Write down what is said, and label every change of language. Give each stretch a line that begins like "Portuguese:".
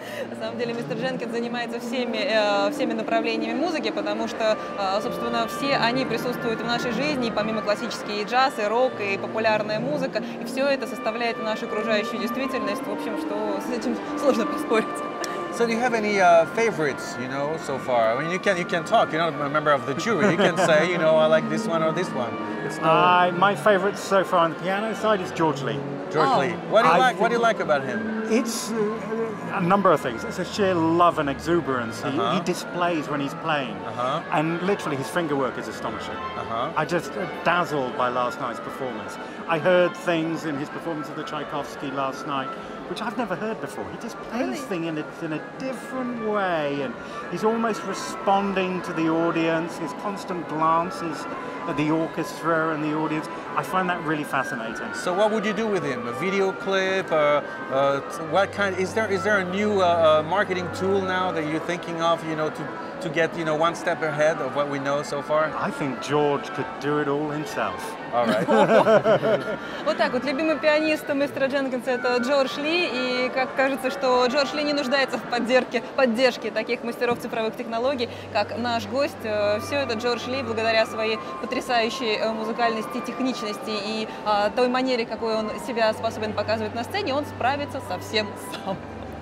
Russian: На самом деле мистер Дженкинс занимается всеми направлениями музыки, потому что, собственно, все они присутствуют в нашей жизни, и помимо классических и джаз, и рок, и популярная музыка, и все это составляет нашу окружающую действительность, в общем, что с этим сложно поспорить.
English: So do you have any favorites, you know, so far? I mean, you can talk, you're not a member of the jury. You can say, you know, I like this one or this one. It's not... my favorite so far on the piano side is George Lee. George Lee. What do you like about him? It's a number of things. It's a sheer love and exuberance he displays when he's playing. Uh-huh. And literally, his fingerwork is astonishing. Uh-huh. I just dazzled by last night's performance. I heard things in his performance of the Tchaikovsky last night, which I've never heard before. He just plays things in a different way, and he's almost responding to the audience. His constant glances at the orchestra and the audience, I find that really fascinating. So what would you do with him? A video clip? What kind? Is there a new marketing tool now that you're thinking of, you know, to get, you know, one step ahead of what we know so far? I think George could do it all himself. Alright.
Russian: Вот так вот, любимый пианист мистера Дженкинса это Джордж Ли, и как кажется, что Джордж Ли не нуждается в поддержке таких мастеров цифровых технологий, как наш гость. Все это Джордж Ли благодаря своей потрясающей музыкальности, техничности и той манере, какой он себя способен показывать на сцене, он справится совсем сам.